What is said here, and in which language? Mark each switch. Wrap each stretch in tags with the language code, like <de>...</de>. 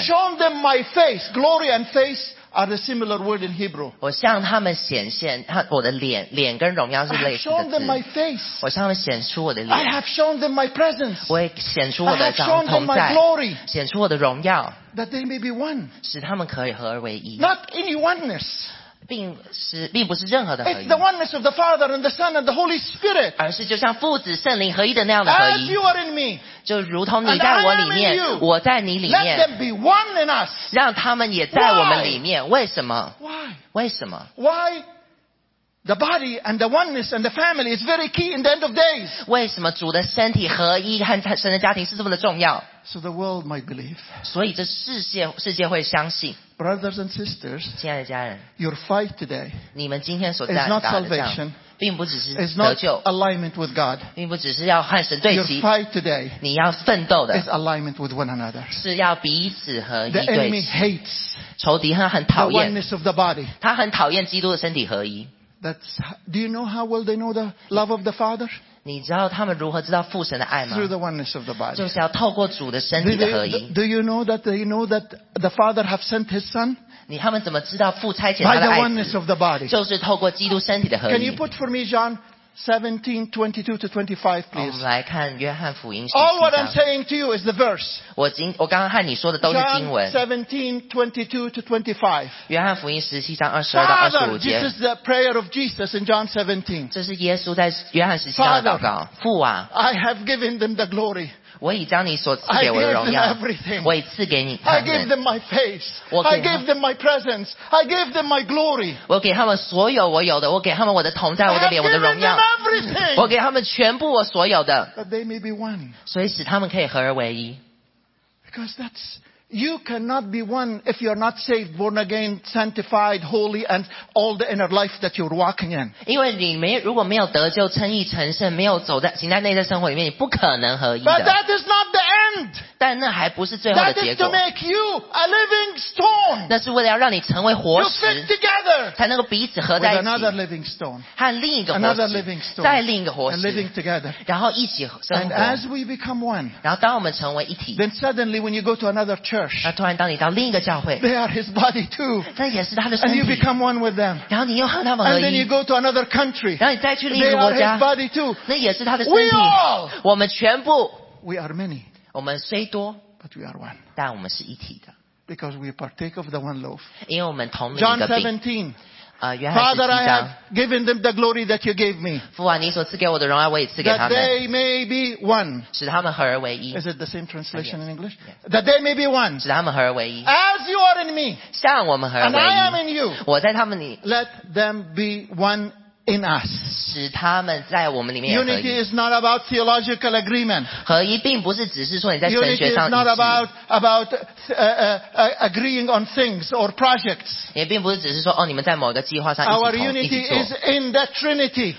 <en>I have shown them my face. Glory and face are the similar word in Hebrew.</en> <zh>我向他们显现我的脸，脸跟荣耀是类似的字。</zh> <en>I have shown them my face.</en> <zh>我向他们显出我的脸。</zh> <en>I have shown them my presence.</en> <zh>我也显出我的掌同在。</zh> <en>I have shown them my glory.</en> <zh>显出我的荣耀。</zh> <en>That they may be one.</en> <zh>使他们可以合而为一。</zh> <en>Not any oneness.</en> <zh>并不是任何的合一。</zh> <en>It's the oneness of the Father and the Son and the Holy Spirit.</en> <zh>而是就像父子圣灵合一的那样的合一。</zh> <en>As you are in me.</en> <zh>就如同你在我里面，我在你里面。</zh> <en>Let them be one in us.</en> <zh>让他们也在我们里面。为什么？</zh> <en>Why?</en> <zh>为什么？</zh> <en>Why? The body and the oneness and the family is very key in the end of days.</en> <zh>为什么主的身体合一和神的家庭是这么的重要？</zh> <en>So the world might believe.</en> <zh>所以这世界会相信。</zh> <en>Brothers and sisters,</en> <zh>亲爱的家人，</zh> <en>your fight today,</en> <zh>你们今天所战打的仗，并不只是得救，</zh> <en>alignment with God,</en> <zh>并不只是要和神对齐。</zh> <en>Your fight today,</en> <zh>你要奋斗的，</zh> <en>is alignment with one another,</en> <zh>是要彼此合一对齐。</zh> <en>The enemy hates,</en> <zh>仇敌很讨厌，</zh> <en>the oneness of the body,</en> <zh>他很讨厌基督的身体合一。</zh> <en>That's, do you know how well they know the love of the Father?</en> <zh>你知道他们如何知道父神的爱吗？</zh> <en>Through the oneness of the body.</en> <zh>就是要透过主的身体的合一。</zh> <en>Do you know that they know that the Father have sent His Son?</en> <zh>你他们怎么知道父差遣他的爱子？</zh> <en>By the oneness of the body.</en> <zh>就是透过基督身体的合一。</zh> <en>Can you put for me John 17:22-25, please?</en> <zh>我们来看约翰福音。</zh> <en>All what I'm saying to you is the verse.</en> <zh>我刚刚和你说的都是经文。</zh> <en>17:22-25.</en> <zh>约翰福音17:22-25节。</zh> <en>Father, this is the prayer of Jesus in John 17.</en> <zh>这是耶稣在约翰十七章的祷告。父啊。</zh> <en>I have given them the glory.</en> <zh>我已将你所赐给我的荣耀，我已赐给你他们。</zh> <en>I gave them my face. I gave them my presence. I gave them my glory.</en> <zh>我给他们所有我有的，我给他们我的同在，我的脸，我的荣耀。我给他们全部我所有的。</zh> <en>But they may be one.</en> <zh>所以使他们可以合而为一。</zh> <en>Because that's you cannot be one if you are not saved, born again, sanctified, holy, and all the inner life that you're walking in.</en> <zh>因为你没如果没有得救、称义、成圣，没有走在行在内在生活里面，你不可能合一的。</zh> <en>But that is not the end.</en> <zh>但那还不是最后的结果。</zh> <en>That is to make you a living stone.</en> <zh>那是为了要让你成为活石。</zh> <en>You fit together.</en> <zh>才能够彼此合在一起。</zh> <en>With another living stone.</en> <zh>和另一个活石。</zh> <en>Another living stone.</en> <zh>再另一个活石。</zh> <en>And living together.</en> <zh>然后一起生活。</zh> <en>And as we become one.</en> <zh>然后当我们成为一体。</zh> <en>Then suddenly when you go to another church.</en> <zh>那突然，当你到另一个教会，</zh> <en>they are his body too.</en> <zh>那也是他的身体。</zh> <en>And you become one with them.</en> <zh>然后你又和他们合一。</zh> <en>And then you go to another country.</en> <zh>然后你再去另一个国家。</zh> <en>They are his body too.</en> <zh>那也是他的身体。</zh> <en>We all.</en> <zh>我们全部。</zh> <en>We are many.</en> <zh>我们虽多</zh> <en>，but we are one.</en> <zh>但我们是一体的。</zh> <en>Because we partake of the one loaf.</en> <zh>因为我们同一个饼。</zh> <en>John 17. Father, I have given them the glory that you gave me.</en> <zh>父啊，你所赐给我的荣耀，我也赐给他们。</zh> <en>That they may be one.</en> <zh>使他们合而为一。</zh> <en>Is it the same translation in English? Yes. That they may be one.</en> <zh>使他们合而为一。</zh> <en>As you are in me.</en> <zh>像我们合而为一。</zh> <en>And I am in you.</en> <zh>我在他们里。</zh> <en>Let them be one in us.</en> <zh>使他们在我们里面合一。</zh> <en>Unity is not about theological agreement.</en> <zh>合一并不是只是说你在神学上一</zh> <en>Unity is not about agreeing on things or projects.</en> <zh>也并不是只是说哦，你们在某个计划上一起同</zh> <en>Our unity is in the Trinity.</en>